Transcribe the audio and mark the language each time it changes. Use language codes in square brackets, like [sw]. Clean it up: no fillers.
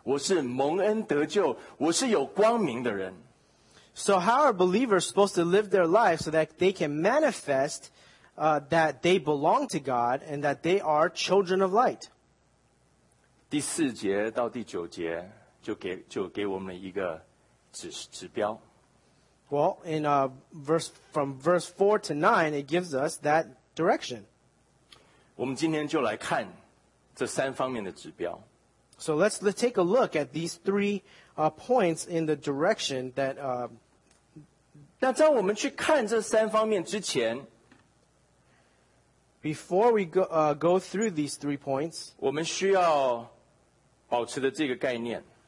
[zh] 一个基督徒要怎么样能够行事为人，才能够呈现出我是神的儿女，我是蒙恩得救，我是有光明的人。 [en] So how are believers supposed to live their lives so that they can manifest that they belong to God and that they are children of light? [zh] 第四节到第九节就给我们一个指标。 [en] Well, in verse 4 to 9, it gives us that direction. [zh] 我们今天就来看这三方面的指标。 [en] So let's take a look at these three points in the direction that. [zh] 那在我们去看这三方面之前， [en] before we go through these three points, [zh] 我们需要保持的这个概念。